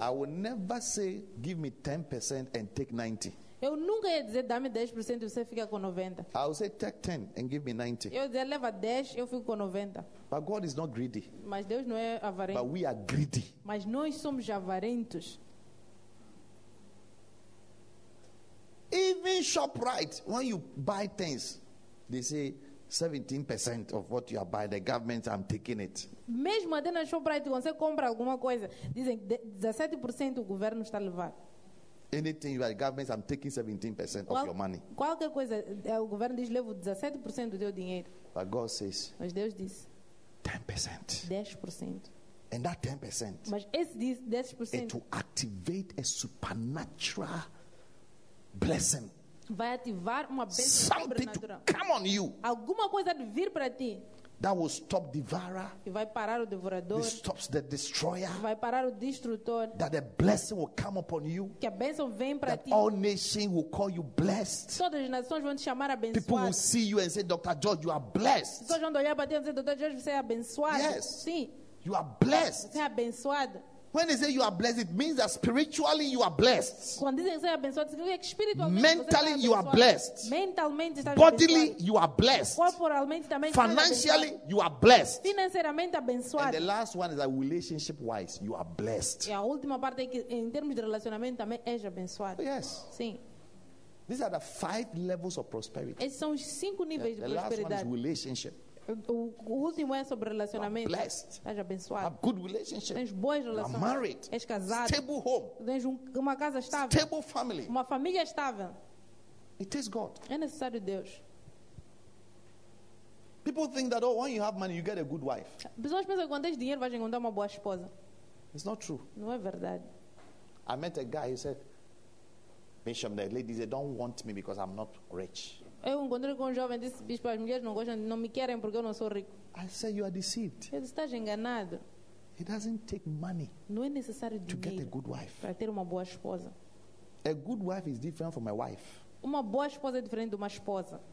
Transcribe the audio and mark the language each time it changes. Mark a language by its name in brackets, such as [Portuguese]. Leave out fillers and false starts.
[English] I would never say, give me 10% and take 90. [Portuguese] Eu nunca ia dizer, dá-me 10% e você fica com 90. [English] I would say, take 10 and give me 90. [Portuguese] Eu dizer, leva 10 e eu fico com 90. [English] But God is not greedy. [Portuguese] Mas Deus não é avarento. [English] But we are greedy. [Portuguese] Mas nós somos avarentos. [English] Even ShopRite, when you buy things, they say, 17% of what you are buying, the government, I'm taking it. [Portuguese] Mesmo até na ShopRite, quando você compra alguma coisa, dizem que 17% o governo está a levar. [English] Anything you are government, I'm taking 17% of your money. [Portuguese] Qualquer coisa, o governo diz, levo 17% do teu dinheiro. [English] But God says, [Portuguese] mas Deus diz, [English] 10%. [Portuguese] 10%. [English] And that 10%, [Portuguese] mas esse diz 10%, [English] it will activate a supernatural blessing. [Portuguese] Vai ativar uma bênção [English] sobrenatural. Come on you. [Portuguese] Alguma coisa de vir para ti. [English] That will stop devourer. [Portuguese] E vai parar o devorador. [English] It stops the destroyer. [Portuguese] Vai parar o destrutor. [English] That the blessing will come upon you. [Portuguese] Que a bênção vem para ti. [English] All nations will call you blessed. [Portuguese] Todas as nações vão te chamar abençoado. [English] People will see you and say, Dr. George, you are blessed. [Portuguese] Todos vão olhar para ti e dizer, Dr. George, você é abençoado. [English] Yes. [Portuguese] Sim. [English] You are blessed. [Portuguese] Você é abençoado. [English] When they say you are blessed, it means that spiritually you are blessed. [Portuguese] Quando dizem que você é abençoado, significa que espiritualmente [English] mentally you are blessed. [Portuguese] Mentalmente está [English] abençoado. Bodily you are blessed. [Portuguese] Corporalmente também está [English] abençoado. Financially you are blessed. [Portuguese] Financeiramente abençoado. [English] And the last one is that relationship wise you are blessed. [Portuguese] E a última parte é que em termos de relacionamento também é abençoado. [English] Oh, yes. [Portuguese] Sim. [English] These are the five levels of prosperity. [Portuguese] Esses são os cinco níveis [English] the [Portuguese] de prosperidade. [English] The last one is relationship. [Portuguese] O último é sobre relacionamento. Estás abençoado. [English] Have good relationship. [Portuguese] Tens boas relações. [English] Married. [Portuguese] És casado. [English] Stable home. [Portuguese] Tens uma casa estável. [English] Stable family. [Portuguese] Uma família estável. [English] It is God. [Portuguese] É necessário Deus. [English] People think that when you have money you get a good wife. [Portuguese] Pessoas pensam que quando tens dinheiro vais encontrar uma boa esposa. [English] It's not true. [Portuguese] Não é verdade. [English] I met a guy, he said, Bishop, the ladies, they don't want me because I'm not rich. [Portuguese] Eu encontrei com um jovem e disse, bispo, as mulheres não gostam, não me querem porque eu não sou rico. [English] I say you are deceived. [Portuguese] Ele está enganado. [English] It doesn't take money. [Portuguese] Não é necessário dinheiro. [English] To get a good wife. [Portuguese] Para ter uma boa esposa. [English] A good wife is different from a wife. [Portuguese] Uma boa esposa é diferente de uma esposa.